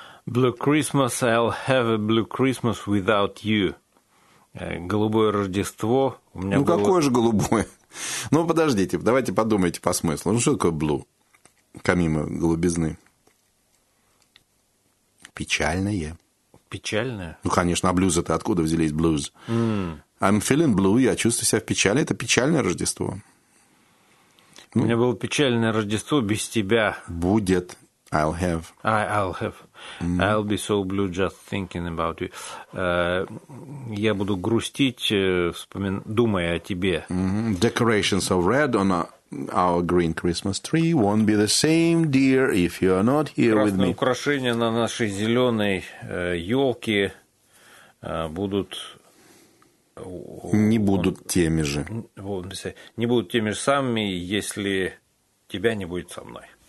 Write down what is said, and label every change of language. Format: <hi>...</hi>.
<en>Blue Christmas, I'll have a blue Christmas without you.</en> <ru>Голубое Рождество. У меня какое же голубое? Ну, подождите, давайте подумайте по смыслу. Ну, что такое blue? Помимо голубизны. Печальное. Печальное? Ну, конечно, а блюзы-то откуда взялись блюз?</ru> <en>I'm feeling blue,</en> <ru>я чувствую себя в печали. Это печальное Рождество. У меня было печальное Рождество без тебя. Будет.</ru> <en>I'll have. I'll be so blue just thinking about you.</en> <ru>Я буду грустить, думая о тебе.</ru> <en>Decorations of red on our green Christmas tree won't be the same, dear, if you're not here</en> <ru>Красные</ru> <en>with me.</en> <ru>Красные украшения на нашей зеленой елке будут... Не будут теми же. Не будут теми же самыми, если тебя не будет со мной.</ru>